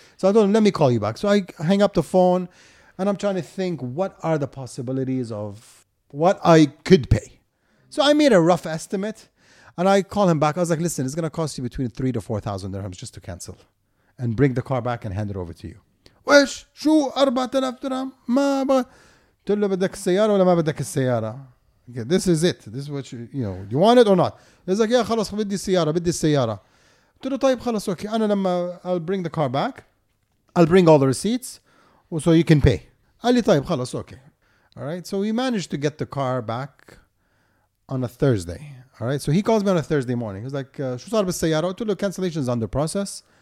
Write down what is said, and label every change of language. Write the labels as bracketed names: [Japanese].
[English] So I told him, let me call you back. So I hang up the phone and I'm trying to think, what are the possibilities of what I could pay? So I made a rough estimate and I call him back. I was like, listen, it's going to cost you between 3,000 to 4,000 dirhams just to cancel and bring the car back and hand it over to you. [Arabic] Wesh, شو 4,000 درهم ما تقول له بدك السيارة ولا ما بدك السيارة. [English] Okay, this is it. This is what you you want it or not? He's like, yeah, [Arabic] خلاص بدي السيارة, بدي السيارة. تقول طيب خلاص, okay. أنا لما [English] I'll bring the car back, I'll bring all the receipts, so you can pay. [Arabic] قال لي طيب خلاص, [English] okay. All right. So we managed to get the car back on a Thursday. All right. So he calls me on a Thursday morning. He's like, [Arabic] شو صار بالسيارة? قلت له [English] cancellation is under process.